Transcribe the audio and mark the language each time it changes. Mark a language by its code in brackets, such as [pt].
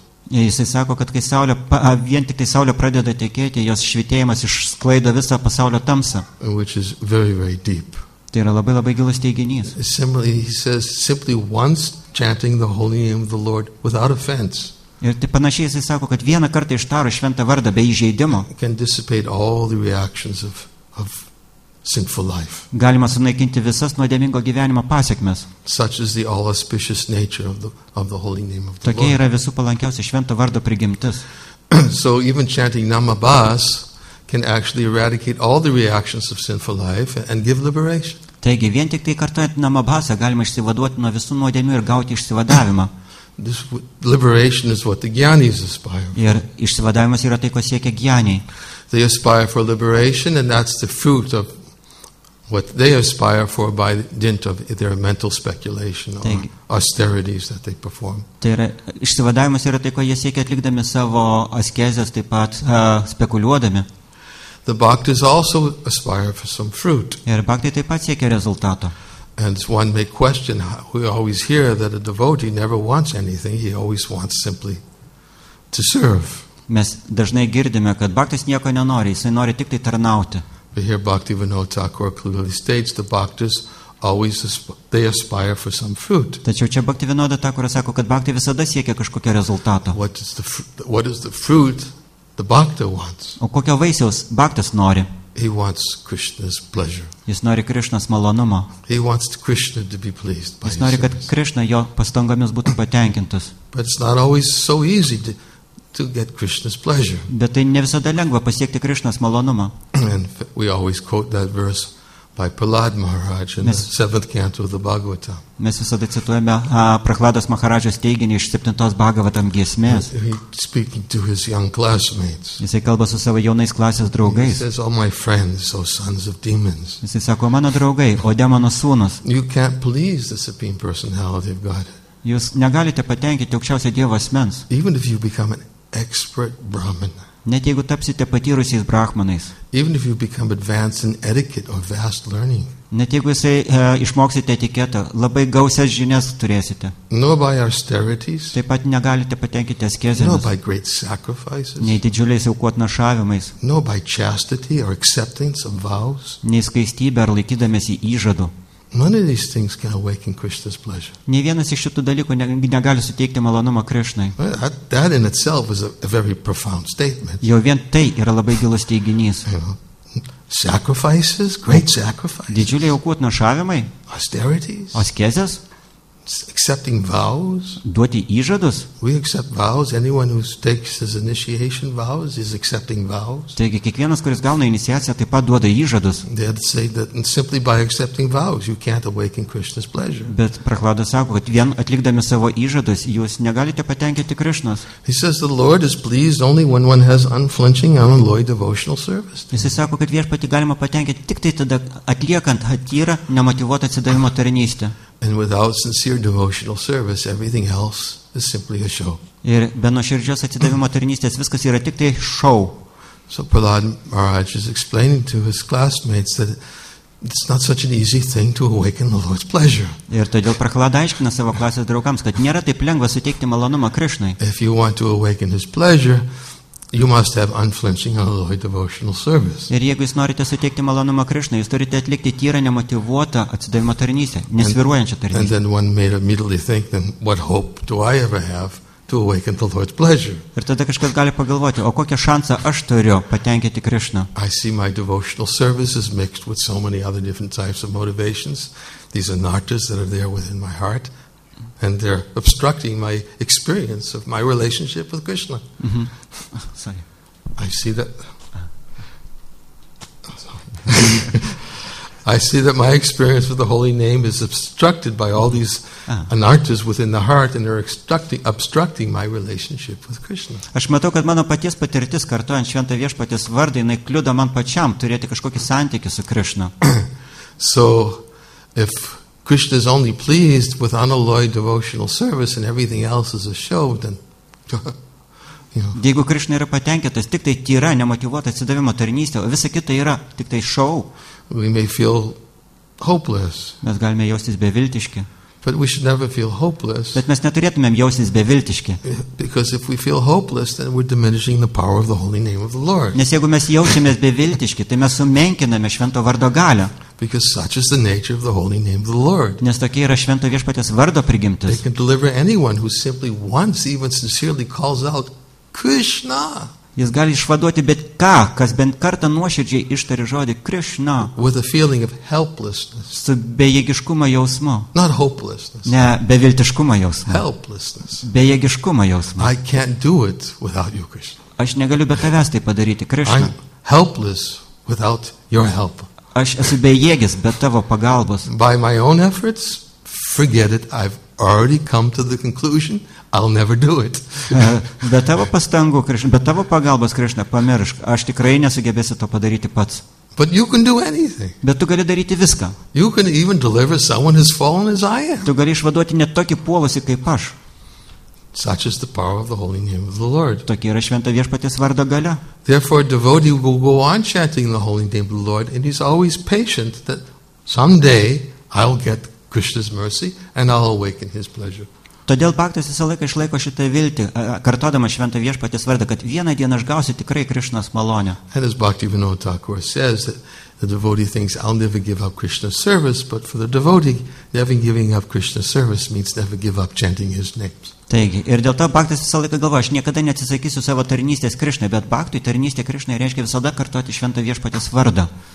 [lt] Jis sako, kad kai saulė, vien tik tai saulė pradeda tekėti, jos švietėjimas išsklaido visą pasaulio tamsą. [en] Which is very, very deep. [lt] Tai yra labai labai gilus teiginys. [en] Simply once chanting the holy name of the Lord without offense. [lt] Ir tai panašiai jis sako, kad vieną kartą ištaro šventą vardą be įžeidimo. [en] Can dissipate all the reactions of sinful life. [lt] Galima sunaikinti visas nuodėmingo gyvenimo pasekmes. [en] Such is the all auspicious nature of the holy name of the [lt] Tokia yra visų palankiausia švento vardo prigimtis. [en] So even chanting Namabhas can actually eradicate all the reactions of sinful life and give liberation. [lt] Taigi vien tik tai kartuojant Namabhasą galima išsivaduoti nuo visų nuodėmių ir gauti išsivadavimą. [en] This liberation is what the gyanis aspire. [lt] Ir išsivadavimas yra tai, ko siekia gyaniai. [en] They aspire for liberation, and that's the fruit of what they aspire for by dint of their mental speculation or austerities that they perform. [lt] Tai yra, išsivadavimas yra tai, ko jie siekia atlikdami savo askezes, taip pat spekuliuodami. [en] The bhaktis also aspire for some fruit. [lt] Ir bhaktai taip pat siekia rezultato. [en] And one may question, we always hear that a devotee never wants anything, he always wants simply to serve. [lt] Mes dažnai girdime, kad bhaktis nieko nenori, jisai nori tik tai tarnauti. [en] But here Bhakti Vinod Thakur clearly states the bhaktis always they aspire for some fruit. [lt] Tačiau čia Bhakti Vinod Thakur sako, kad bhakti visada siekia kažkokio rezultato. [en] What is the fruit the bhakta wants? [lt] O kokio vaisiaus bhaktis nori? [en] He wants Krishna's pleasure. [lt] Jis nori Krishnas malonumo. [en] He wants Krishna to be pleased by [lt] Jis nori, kad Krishna jo pastangomis būtų patenkintas. [en] But it's not always so easy to get Krishna's pleasure. [lt] Bet tai ne visada lengva pasiekti Krishnas malonumą. [en] And we always quote that verse by Prahlad Maharaj in the 7th canto of the Bhagavata. [lt] Mes visada cituojame Prahladas Maharajas teiginį iš 7 Bhagavatam giesmės. [en] Speaking to his young classmates. [lt] Jisai kalba su savo jaunais klasės draugais. [en] He says, all my friends, oh sons of demons. [lt] Jisai sako, mano draugai, o demonų sūnus. [en] You can't please the Supreme Personality of God. [lt] Jūs negalite patenkinti aukščiausio Dievo asmens. [en] Even if you become an expert Brahmin. [lt] Net jeigu tapsite patyrusiais brahmanais. [en] Even if you become advanced in etiquette or vast learning. [lt] Net jeigu jisai išmoksite etiketą, labai gausias žinias turėsite. [en] Nor by austerities. [lt] Taip pat negalite patenkinti askezėmis. [en] Nor by great sacrifices. [lt] Nei didžiuliais aukų atnašavimais. [en] Nor by chastity or acceptance of vows. [lt] Nei skaistybė ar laikydamiesi įžadų. [en] None of these things can awaken Krishna's pleasure. [lt] Nė vienas iš šitų dalykų negali suteikti malonumą Krishnai. [en] That in itself is a very profound statement. [lt] Jo vien tai yra labai gilus teiginys. [en] Sacrifices, great sacrifices. [lt] Didžiuliai aukų atnašavimai. [en] Austerities. [lt] Askezės. [en] Accepting vows. [lt] Duoti įžadus. [en] We accept vows. Anyone who takes his initiation vows is accepting vows. [lt] Taigi kiekvienas, kuris gauna iniciaciją, taip pat duoda įžadus. [en] They say that simply by accepting vows you can't awaken Krishna's pleasure. [lt] Bet Prahlada sako, kad vien atlikdami savo įžadus jūs negalite patenkinti Krishnas. [en] He says the Lord is pleased only when one has unflinching unalloyed devotional service. [lt] Jis sako, kad viešpatį galima patenkinti tik tai tada, atliekant atyrą nemotyvuotą atsidavimo tarnystę. [en] And without sincere devotional service, everything else is simply a show. [lt] Ir be nuoširdžios atsidavimo tarnystės viskas yra tik tai show. [en] So Prahlad Maharaj is explaining to his classmates that it's not such an easy thing to awaken the Lord's pleasure. [lt] Ir todėl Prahlada aiškina savo klasės draugams, kad nėra taip lengva suteikti malonumą Krishnai. [en] If you want to awaken his pleasure, you must have unflinching unalloyed devotional service. [lt] Ir jeigu jūs norite suteikti malonumą Krishnai, jūs turite atlikti tyrą nemotyvuotą atsidavimo tarnystę, nesvyruojančią tarnystę. [en] And then one may immediately think, then what hope do I ever have to awaken the Lord's pleasure? [lt] Ir tada kažkas gali pagalvoti, o kokią šansą aš turiu patenkinti Krishną? [en] I see my devotional service is mixed with so many other different types of motivations. These anartas that are there within my heart. And they're obstructing my experience of my relationship with Krishna. Mm-hmm. Sorry. I see that my experience with the holy name is obstructed by all these anartas within the heart, and they're obstructing my relationship with Krishna. [lt] Aš matau, kad mano paties patirtis kartuojant šventą viešpaties vardą, jinai kliudo man pačiam turėti kažkokį santykį su Krishna. [en] So, if Krishna is only pleased with unalloyed devotional service and everything else is a show, then... [lt] Jeigu Krishna yra patenkintas, tik tai tyra, nemotyvuota atsidavimo tarnystė, o visa kita yra tik tai šou. [en] We may feel hopeless. [lt] Mes galime jaustis beviltiški. [en] But we should never feel hopeless. [lt] Bet mes neturėtumėm jaustis beviltiški. [en] Because if we feel hopeless, then we're diminishing the power of the holy name of the Lord. [lt] Nes jeigu mes jaučiamės beviltiški, tai mes sumenkiname švento vardo galią. [en] Because such is the nature of the holy name of the Lord. [lt] Nes tokia yra švento viešpaties vardo prigimtis. [en] They can deliver anyone who simply once, even sincerely calls out Krishna. [lt] Jis gali išvaduoti bet ką, kas bent kartą nuoširdžiai ištari žodį Krishna. [en] With a feeling of helplessness. [lt] Su bejėgiškumo jausmu. [en] Not hopelessness. [lt] Ne, beviltiškumo jausmu. [en] Helplessness. [lt] Bejėgiškumo jausmu. [en] I can't do it without you, Krishna. [lt] Aš negaliu be tavęs tai padaryti, Krishna. [en] I'm helpless without your help. [lt] Aš esu bejėgis be tavo pagalbos. [en] By my own efforts, forget it, I've already come to the conclusion. I'll never do it. [lt] Be tavo pastangų, Krishna, be tavo pagalbos, Krishna, pamiršk, aš tikrai nesugebėsiu to padaryti pats. [en] But you can do anything. [lt] Bet tu gali daryti viską. [en] You can even deliver someone as fallen as I am. [lt] Tu gali išvaduoti net tokį puolusį kaip aš. [en] Such is the power of the holy name of the Lord. [lt] Tokia yra švento viešpaties vardo galia. [en] Therefore a devotee will go on chanting the holy name of the Lord and he's always patient that someday I'll get Krishna's mercy and I'll awaken his pleasure. [lt] Todėl paktas visą laiką išlaiko šitą viltį, kartodamas šventą viešpaties vardą, kad vieną dieną aš gausiu tikrai Krishnos malonę. [en] And as Bhaktivinoda Thakur says, that the devotee thinks, I'll never give up Krishna's service, but for the devotee, never giving up Krishna's service means never give up chanting his names. [lt] Taigi, ir dėl to paktas visą laiką galvoja, aš niekada neatsisakysiu savo tarnystės Krishnai, bet paktui tarnystė Krishnai reiškia visada kartoti šventą viešpaties vardą.